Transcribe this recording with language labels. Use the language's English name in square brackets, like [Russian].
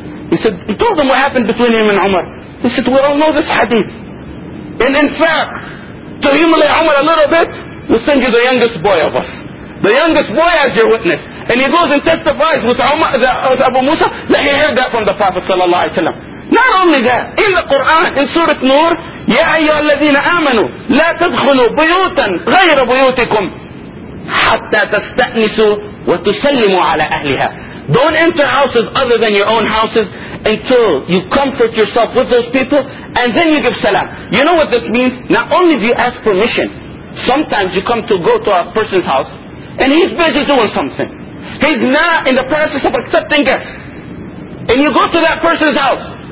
[English] He said, he told them what happened between him and Umar. He said, we all know this hadith. And in fact, to humiliate Umar a little bit, we'll send you the youngest boy of us. The youngest boy as your witness. and he goes and testifies with Abu Musa that he heard that from the Prophet sallallahu alaihi wasallam. Not only that, in the Quran, in Surah Nur, [Arabic] يا أيها الذين آمنوا لا تدخلوا بيوتا غير بيوتكم حتى تستأنسوا وتسلموا على أهلها. [English] Don't enter houses other than your own houses until you comfort yourself with those people and then you give salam. You know what this means? Not only do you ask permission, sometimes you come to go to a person's house and he's busy doing something. He's not in the process of accepting guests. And you go to that person's house.